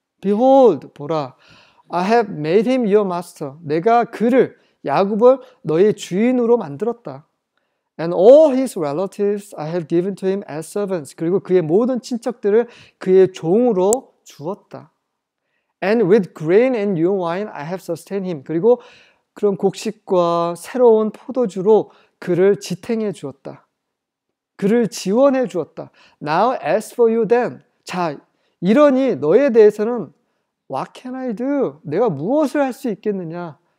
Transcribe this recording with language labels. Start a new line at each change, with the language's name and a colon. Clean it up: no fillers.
English: Behold,
Korean: 보라.
English: I have made him your master.
Korean: 내가 그를, 야곱을 너의 주인으로 만들었다.
English: And all his relatives I have given to him as servants.
Korean: 그리고 그의 모든 친척들을 그의 종으로 주었다.
English: And with grain and new wine I have sustained him.
Korean: 그리고 그런 곡식과 새로운 포도주로 그를 지탱해 주었다. 그를 지원해 주었다.
English: Now as for you then.
Korean: 자, 이러니 너에 대해서는
English: What can I do?
Korean: 내가 무엇을 할수 있겠느냐?